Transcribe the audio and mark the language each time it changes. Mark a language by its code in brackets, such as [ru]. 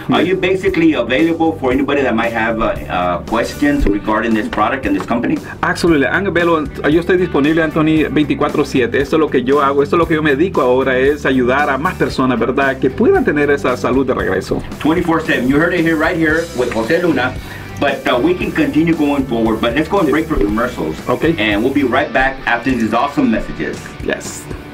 [en] Yeah. Are you basically available for anybody that might have questions regarding this product and this company? Absolutely. I'm available. [es] Yo estoy disponible, [en] Anthony, 24/7. [es] Esto es lo que yo hago, esto es lo que yo me dedico ahora, es ayudar a más personas, ¿verdad?, que puedan tener esa salud de regreso. [en] 24/7. You heard it here right here with Jose Luna. But we can continue going forward, but let's go and break for commercials. Okay. And we'll be right back after these awesome messages. Yes.